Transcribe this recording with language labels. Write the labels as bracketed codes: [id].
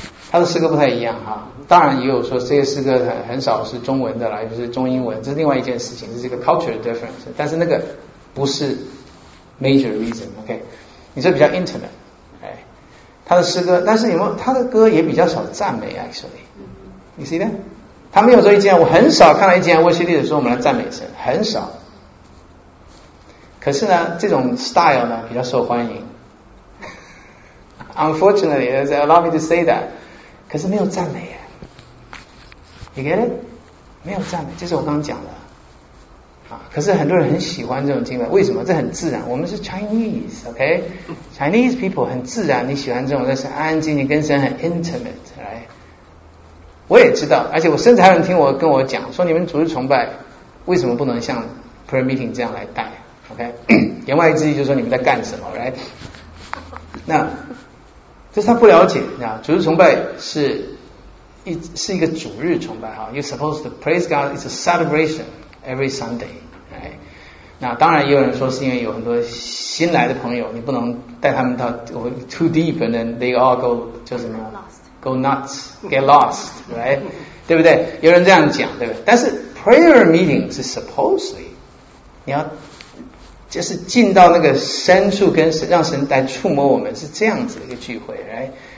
[zh] 他的诗歌不太一样哈，当然也有说这些诗歌很少是中文的啦，就是中英文，这是另外一件事情，这是一个 culture difference, 但是那个不是 major reason, OK, 你说比较 intimate, 哎，他的诗歌，但是有没有他的歌也比较少赞美 actually, you see that? 他没有说一件，我很少看到一件 worship leader 说我们来赞美神，很少。可是呢这种 style 呢比较受欢迎。 [en] Unfortunately, allow me to say that, 可是没有赞美耶， you get it? [zh] 没有赞美，这是我刚刚讲的啊。可是很多人很喜欢这种敬拜，为什么？这很自然，我们是 Chinese, OK? Chinese people 很自然，你喜欢这种，那是安静，你跟神很 intimate, right? 我也知道，而且我甚至还有人听我跟我讲说，你们主日崇拜为什么不能像 prayer meeting 这样来带， OK? 言外之意就是说你们在干什么， right? 那就是他不了解，你知道，主日崇拜是一个主日崇拜哈。 [en] You're supposed to praise God, it's a celebration every Sunday, right? [zh] 那当然也有人说是因为有很多新来的朋友，你不能带他们到 too deep, and then they all go 就什么 go nuts, get lost, right? 对不对？有人这样讲，对不对？但是 prayer meeting 是 supposedly 你要就是进到那个深处跟神让神来触摸我们是这样子的一个聚会、right?